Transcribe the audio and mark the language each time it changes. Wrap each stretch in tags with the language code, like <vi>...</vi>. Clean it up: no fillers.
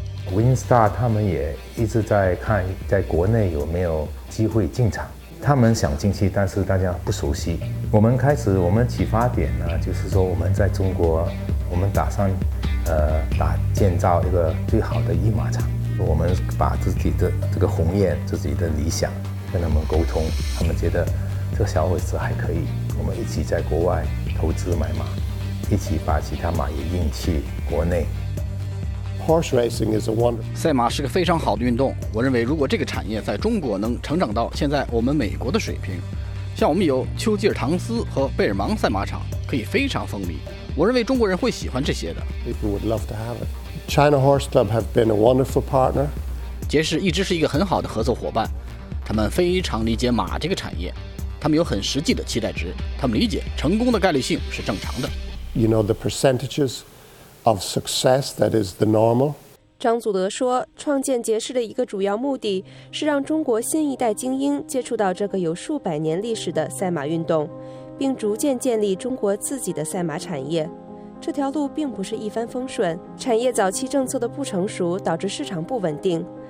<zh>Winstar 他们也一直在看在国内有没有机会进场，他们想进去但是大家不熟悉，我们开始我们启发点呢就是说我们在中国我们打算建造一个最好的御马场，我们把自己的这个鸿雁自己的理想跟他们沟通，他们觉得这个小伙子还可以，我们一起在国外投资买马，一起把其他马也引去国内。</zh> <en>Horse racing is a wonder.</en> <zh>赛马是个非常好的运动。我认为，如果这个产业在中国能成长到现在我们美国的水平，像我们有丘吉尔唐斯和贝尔芒赛马场，可以非常风靡。我认为中国人会喜欢这些的。</zh> <en>People would love to have it. China Horse Club have been a wonderful partner.</en> <zh>杰士一直是一个很好的合作伙伴，他们非常理解马这个产业，他们有很实际的期待值，他们理解成功的概率性是正常的。</zh> <en>You know the percentages of success that is the normal。</en> <zh>张祖德说，创建杰士的一个主要目的是让中国新一代精英接触到这个有数百年历史的赛马运动，并逐渐建立中国自己的赛马产业。这条路并不是一帆风顺，产业早期政策的不成熟导致市场不稳定。</zh>